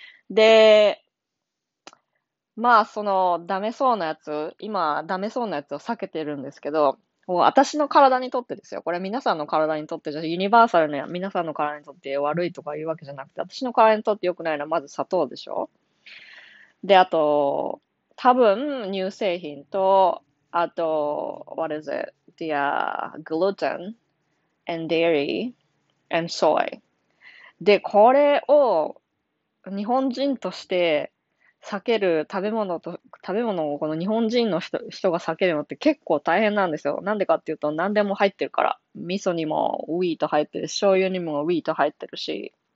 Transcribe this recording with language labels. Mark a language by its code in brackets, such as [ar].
[ja] で、まあ、その、ダメそうなやつを避けてるんですけど、もう私の体にとってですよ。これは皆さんの体にとって、じゃユニバーサルな皆さんの体にとって悪いとか言うわけじゃなくて、私の体にとって良くないのはまず砂糖でしょ。で、あと、多分、乳製品と、あと、 [en] what is it? Gluten and dairy and soy. [ja] で、これを、日本人として避ける食べ物をこの日本人の人が避けるのって結構大変なんですよ。なんでかっていうと何でも入ってるから。味噌にもウィート入ってるし、醤油にもウィート入ってるし。